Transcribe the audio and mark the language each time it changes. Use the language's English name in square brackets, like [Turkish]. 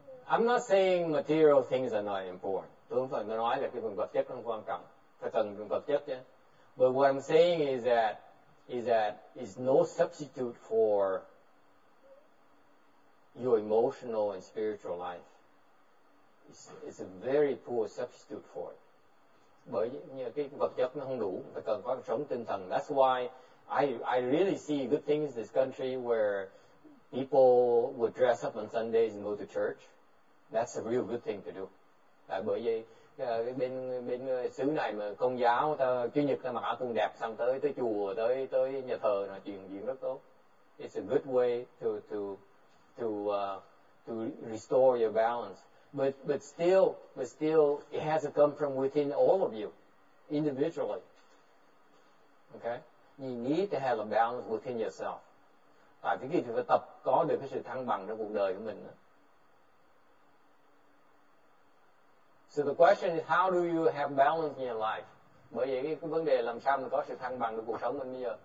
[English] I'm not saying material things are not important. [Vietnamese] Tôi không phải nói là cái phần vật chất không quan trọng. Phải cần phần vật chất chứ. [English] But what I'm saying is that it's no substitute for your emotional and spiritual life. It's a very poor substitute for it. [Vietnamese] Bởi như cái vật chất nó không đủ, phải cần có sống tinh thần. [English] That's why I really see good things in this country where people would dress up on Sundays and go to church. That's a real good thing to do. [Vietnamese] Tại bởi vậy bên xứ này mà Công giáo ta Chủ nhật ta mặc áo quần đẹp xong tới chùa tới nhà thờ là chuyện gì rất tốt. [English] It's a good way to restore your balance. But still it has to come from within all of you individually. Okay? You need to have a balance within yourself. [Vietnamese] Tại vì khi phải tập có được cái sự thăng bằng trong cuộc đời của mình. [English] So the question is, how do you have balance in your life? [Vietnamese] Bởi vậy cái vấn đề làm sao mình có sự thăng bằng được cuộc sống mình bây giờ?